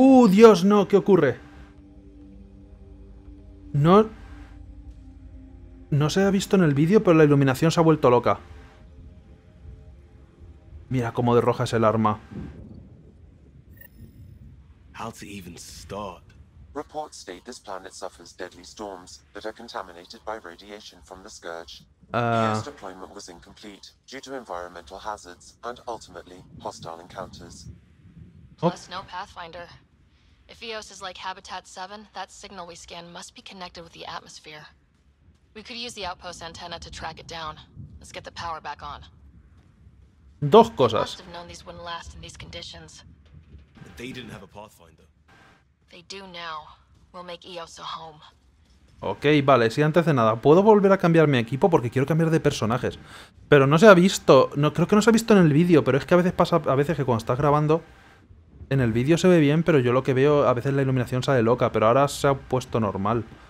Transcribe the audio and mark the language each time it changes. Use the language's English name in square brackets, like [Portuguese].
[Spanish] Dios, no, ¿qué ocurre? No se ha visto en el vídeo, pero la iluminación se ha vuelto loca. Mira cómo de roja es el arma. [English] How to even start? Reports state this planet suffers deadly storms that are contaminated by radiation from the Scourge. Earth's deployment was incomplete due to environmental hazards and ultimately hostile encounters. Plus no Pathfinder. If EOS is like Habitat 7, that signal we scan must be connected with the atmosphere. We could use the outpost antenna to track it down. Let's get the power back on. [Spanish] Dos cosas. [English] We must have known these wouldn't last in these conditions. They didn't have a Pathfinder. They do now. We'll make EOS a home. [Spanish] Ok, vale, sí, antes de nada, puedo volver a cambiar mi equipo porque quiero cambiar de personajes. Pero no se ha visto, no, creo que no se ha visto en el vídeo, pero es que a veces pasa, a veces que cuando estás grabando, en el vídeo se ve bien, pero yo lo que veo, a veces la iluminación sale loca, pero ahora se ha puesto normal.